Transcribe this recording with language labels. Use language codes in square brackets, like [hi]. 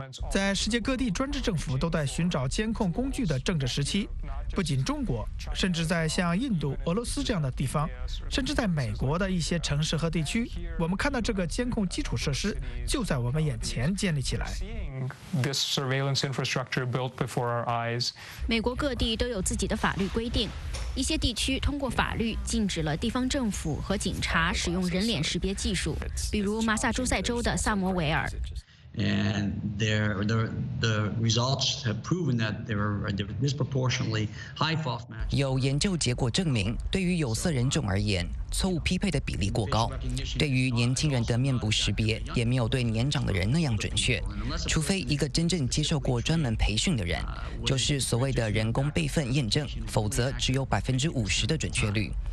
[zh] 在世界各地专制政府都在寻找监控工具的政治时期，不仅中国，甚至在像印度、俄罗斯这样的地方，甚至在美国的一些城市和地区，我们看到这个监控基础设施就在我们眼前建立起来。美国各地都有自己的法律规定，一些地区通过法律禁止了地方政府和警察使用人脸识别技术，比如马萨诸塞州的萨摩维尔。 [en] And the results have proven that there are disproportionately high false matches. [zh] 有研究结果证明，对于有色人种而言，错误匹配的比例过高。对于年轻人的面部识别，也没有对年长的人那样准确。除非一个真正接受过专门培训的人，就是所谓的人工备份验证，否则只有50%的准确率。